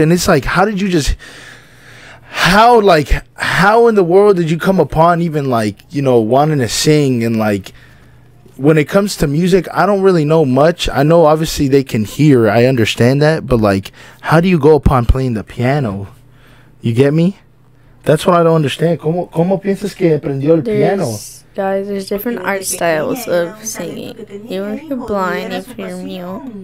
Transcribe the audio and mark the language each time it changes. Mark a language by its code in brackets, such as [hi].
[en] And it's like, how did you just... How in the world did you come upon even, like, you know, wanting to sing? And, like, when it comes to music, I don't really know much. I know, obviously, they can hear. I understand that. But, like, how do you go upon playing the piano? You get me? That's what I don't understand. [es] ¿Cómo piensas que aprendió el piano? [en] Guys, there's different art styles of singing. Even if you're blind, if you're mute.